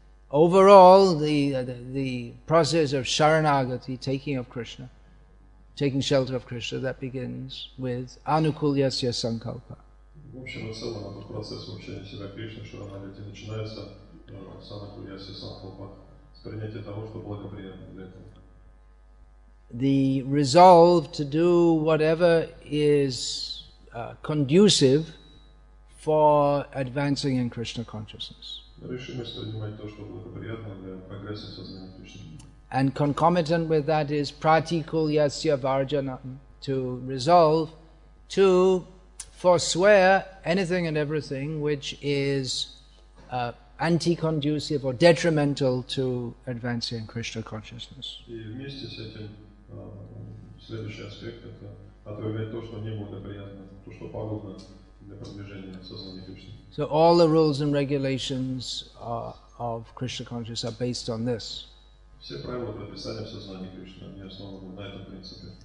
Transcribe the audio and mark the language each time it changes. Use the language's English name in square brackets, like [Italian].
[English] Overall, the process of sharanagati, taking of Krishna, taking shelter of Krishna, that begins with anukulyasya sankalpa. [Russian] В общем и целом, этот процесс общения себя Кришна, шаранагати, начинается с анукульясья санкалпа, с принятия того, что благоприятно для этого. [English] The resolve to do whatever is conducive for advancing in Krishna consciousness. [Russian] Решимость принимать то, что благоприятно для прогресса сознания Кришны. [English] And concomitant with that is pratikulyasya varjanam, to resolve to forswear anything and everything which is anti-conducive or detrimental to advancing in Krishna consciousness. [Russian] И вместе с этим следующий аспект — это отвергать то, что неблагоприятно, то, что пагубно для продвижения сознания Кришны. [English] So all the rules and regulations of Krishna consciousness are based on this. [Russian] Все правила прописания в сознании Кришны, они основаны на этом принципе.